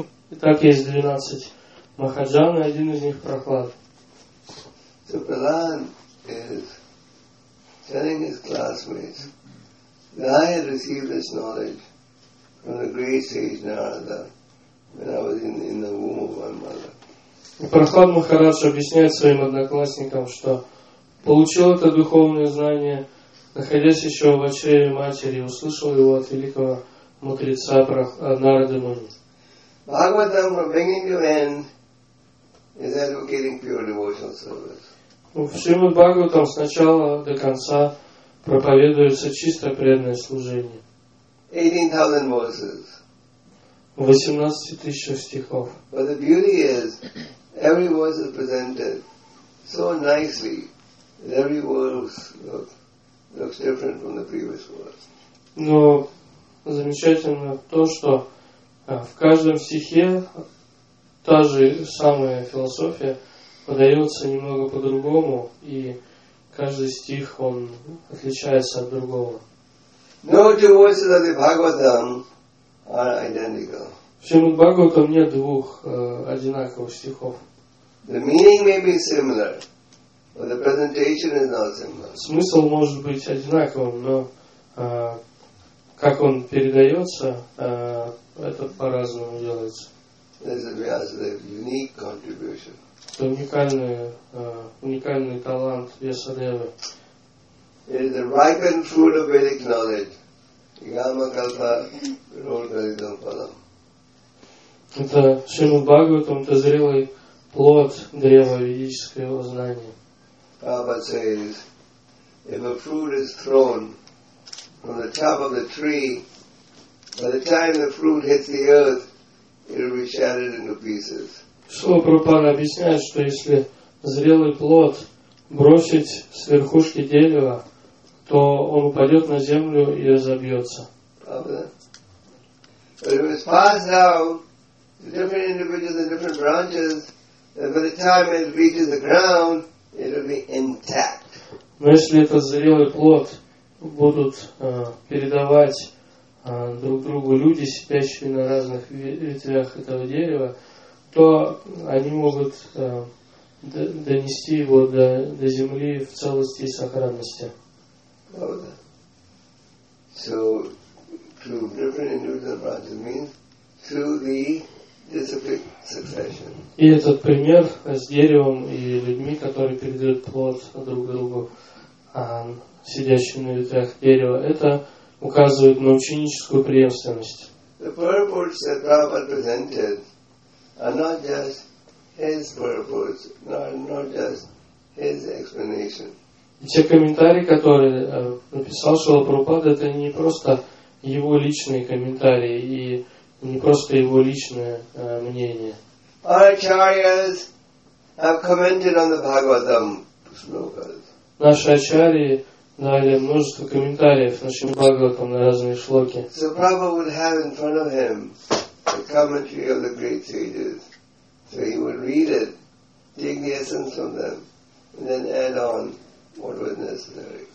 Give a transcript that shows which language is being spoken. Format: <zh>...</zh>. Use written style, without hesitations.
<ru>Итак, есть 12 махаджан, и один из них Прохлад.</ru> <en>So Prahlad is telling his classmates that I had received this knowledge from the great sage Narada when I was in the womb of my mother.</en> <ru>Прохлад Махарадж объясняет своим одноклассникам, что получил это духовное знание, находясь еще в чреве матери, услышал его от великого мудреца Нарады Муни.</ru> <en>Бхагаватам from beginning to end is advocating pure devotional service.</en> <ru>В Шримад Бхагаватам с начала до конца проповедуется чисто преданное служение.</ru> <en>18,000 verses.</en> <ru>18 тысяч стихов.</ru> <en>But the beauty is, every verse is presented so nicely that every verse looks different from the previous verse.</en> <ru>Но замечательно то, что в каждом стихе та же самая философия подается немного по-другому, и каждый стих он отличается от другого.</ru> <en>No two verses of the Bhagavatam are identical.</en> <ru>В Шримад-Бхагаватам нет двух одинаковых стихов.</ru> <en>The meaning may be similar, but the presentation is not similar.</en> <ru>Смысл может быть одинаковым, но как он передается, это по-разному делается.</ru> <en>This is a unique contribution.</en> <ru>Это уникальный талант Вьясадевы.</ru> <en>It is the ripened fruit of Vedic knowledge.</en> <sa>Yama kalpa rodhalidam palam.</sa> <ru>Это Шримад Бхагаватам, это зрелый плод древа ведического знания.</ru> <en>Prabhupada says, if a fruit is thrown from the top of the tree, by the time the fruit hits the earth, it will be shattered into pieces.</en> <ru>Слово Прабхупада объясняет, что если зрелый плод бросить с верхушки дерева, то он упадет на землю и разобьется. Правда?</ru> <en>But if it's passed down to different individuals and different branches, then by the time it reaches the ground, it will be intact.</en> <ru>Но если этот зрелый плод будут передавать друг другу люди, сидящие на разных ветвях этого дерева, то они могут донести его до земли в целости и сохранности.</ru> <en>So through different individual branches means through the disciplined succession.</en> <ru>И этот пример с деревом и людьми, которые передают плод друг другу, сидящим на ветвях дерева, это указывает на ученическую преемственность.</ru> <en>The purports that Prabhupada presented are not just his purports, not just his explanation.</en> <ru>И те комментарии, которые написал Шрила Прабхупада, это не просто его личные комментарии и не просто его личное мнение.</ru> <en>Our acharyas have commented on the Bhagavatam slokas.</en> <ru>Наши ачарьи дали множество комментариев нашим Бхагаватам на разные шлоки.</ru> <en>So Prabhupada would have in front of him the commentary of the great sages. So he would read it, take the essence from them, and then add on what was necessary.</en>